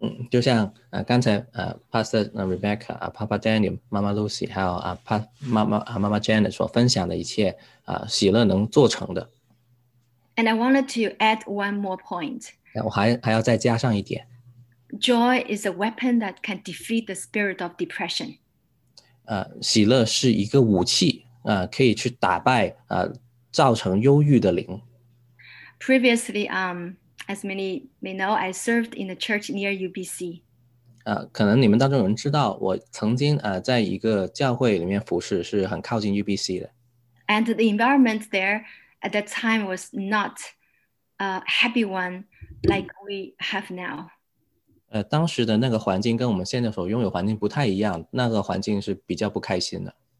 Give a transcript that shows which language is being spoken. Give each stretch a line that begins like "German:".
Chinese: 就像刚才Pastor Rebecca, Papa Daniel, Mama Lucy, 还有Mama Janet 所分享的一切喜乐能做成的。
English: And I wanted to add one more point.
Chinese: 我还要再加上一点。
English: Joy is a weapon that can defeat the spirit of depression.
Chinese: 喜乐是一个武器可以去打败造成忧郁的灵。
English: Previously, as many may know, I served in a church near UBC.
Chinese: 可能你们当中有人知道，我曾经在一个教会里面服侍，是很靠近 UBC 的。
English: And the environment there at that time was not a happy one like we have now.
Chinese: 当时的那个环境跟我们现在所拥有环境不太一样，那个环境是比较不开心的。